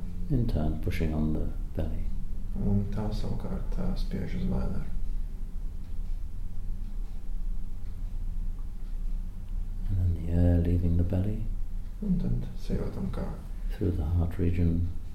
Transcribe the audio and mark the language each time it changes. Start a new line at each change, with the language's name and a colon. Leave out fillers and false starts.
English: In turn, pushing on the belly.
Latvian: Un tā savukārt spiež uz vēderu.
English: And then the air leaving the belly.
Latvian: Un tad sajūtam, kā
English: through the heart region.